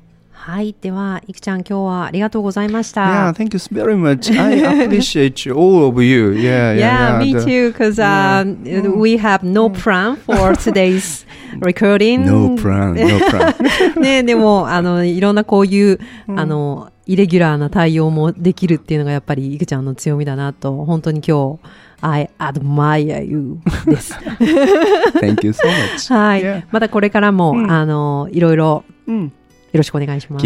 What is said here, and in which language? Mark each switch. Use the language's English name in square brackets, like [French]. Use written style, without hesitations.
[Japanese] はい、ではいくちゃん、今日はありがとうございました。 [English] Yeah, thank you very much. I appreciate all of you. Yeah, me too, because we have no plan for today's recording. No plan. [Japanese] ね、でもいろんなこういうイレギュラーな対応もできるっていうのがやっぱりいくちゃんの強みだなと、本当に今日 [English] I admire you [Japanese] です。 [English] Thank you so much. [Japanese] はい、またこれからもいろいろ。よろしくお願いします。